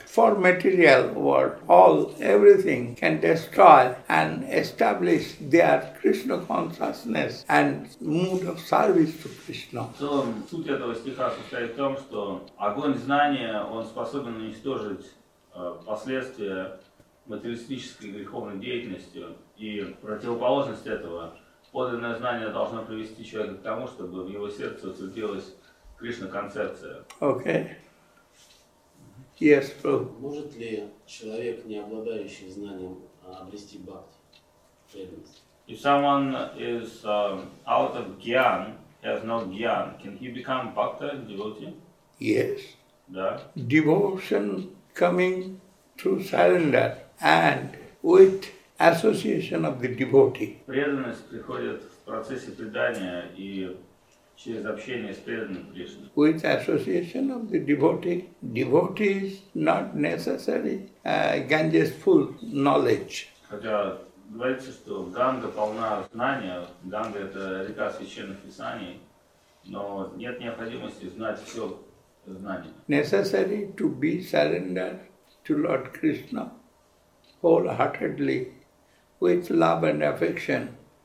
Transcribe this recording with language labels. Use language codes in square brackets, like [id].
[en] For material world, all, everything can destroy and establish their Krishna consciousness and mood of service to Krishna. [ru] В целом, суть этого стиха состоит в том, что огонь знания, он способен уничтожить последствия материалистической греховной деятельности. И противоположность этого, подлинное знание должно привести человека к тому, чтобы в его сердце утвердилась Кришна-концепция. [en] Okay. Yes, Prabhu. [ru] Может ли человек, не обладающий знанием, обрести бхакти, преданность? [en] If someone is out of gyan, has no gyan, can he become bhakta, devotee? Yes. [ru] Да? [en] Devotion coming through surrender and with association of the devotee. [ru] Преданность приходит в процессе предания и через общение с преданным Кришной. [en] With association of the devotee. Devotee is not necessary Ganges full knowledge. [ru] Хотя говорится, что Ганга полна знания, Ганга это река священных писаний, но нет необходимости знать все знания. [en] Necessary to be surrendered to Lord Krishna wholeheartedly with love and affection.